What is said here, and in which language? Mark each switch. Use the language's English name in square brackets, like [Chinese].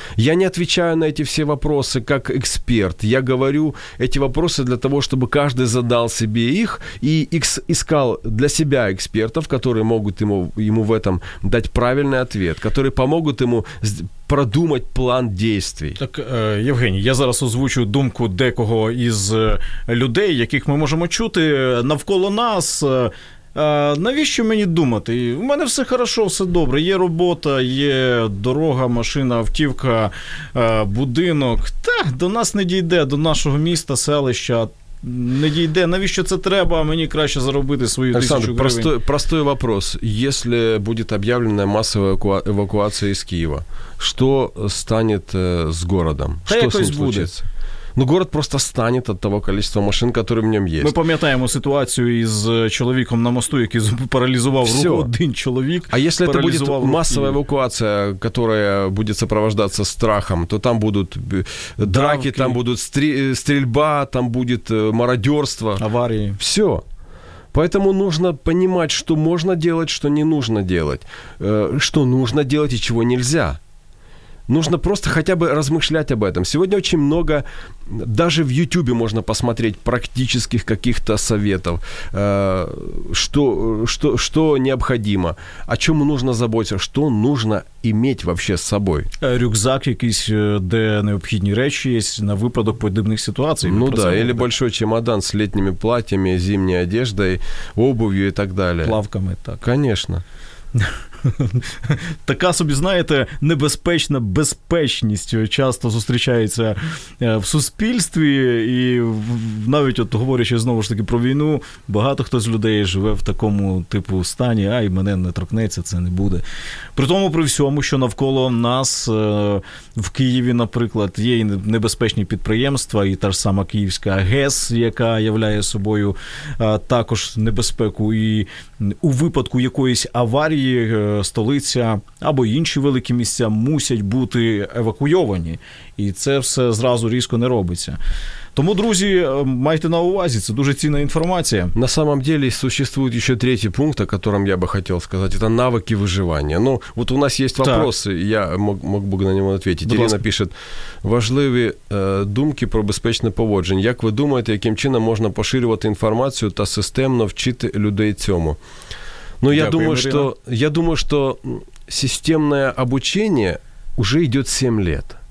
[Russian] Я не отвечаю на эти все вопросы как эксперт. Я говорю эти вопросы для того, чтобы каждый задал себе их и искал для себя экспертов, которые могут ему в этом дать правильный ответ, которые помогут ему продумать план действий. [Ukrainian] Так, Євгеній, я зараз озвучу думку декого із людей, яких ми можемо чути навколо нас. Навіщо мені думати? У мене все хорошо, все добре. Є робота, є дорога, машина, автівка, будинок. Та, до нас не дійде, до нашого міста, селища не дійде. Навіщо це треба? Мені краще заробити свою тисячу гривень. [Russian] Олександр, простой вопрос. [Ukrainian] Якщо буде об'явлена масова евакуація з Києва, що стане з містом? Та якось буде. [Russian] Ну, город просто станет от того количества машин, которые в нем есть. Мы помнятаем ситуацию с человеком на мосту, который парализовал руку. Один человек. А если это будет массовая эвакуация, которая будет сопровождаться страхом, то там будут драки, там будут стрельба, там будет мародерство. Аварии. Все. Поэтому нужно понимать, что можно делать, что не нужно делать. Что нужно делать и чего нельзя. Нужно просто хотя бы размышлять об этом. Сегодня очень много, даже в Ютубе можно посмотреть практических каких-то советов, что необходимо, о чем нужно заботиться, что нужно иметь вообще с собой. Рюкзак [Ukrainian] якийсь, [Russian] где необходимые вещи есть [Ukrainian] на випадок [Russian] подобных ситуаций. Ну да, или большой чемодан с летними платьями, зимней одеждой, обувью и так далее. Плавками, так. Конечно. [Ukrainian] Така собі, знаєте, небезпечна безпечність часто зустрічається в суспільстві, і навіть от говорячи знову ж таки про війну, багато хто з людей живе в такому типу стані, ай, мене не торкнеться, це не буде. При тому, при всьому, що навколо нас в Києві, наприклад, є і небезпечні підприємства, і та ж сама Київська ГЕС, яка являє собою також небезпеку, і у випадку якоїсь аварії столиця або інші великі місця мусять бути евакуйовані. І це все зразу різко не робиться. Тому, друзі, майте на увазі, це дуже цінна інформація. [Russian] На самом деле, существует еще третий пункт, о котором я бы хотел сказать. Это навыки выживания. Ну, вот у нас есть вопросы, так. Я мог [Ukrainian] би на нього [Russian] ответить. [Ukrainian] Ірина пише, важливі думки про безпечне поводження. Як ви думаєте, яким чином можна поширювати інформацію та системно вчити людей цьому? [Russian] Ну, я думаю, что системное обучение уже идет 7 лет.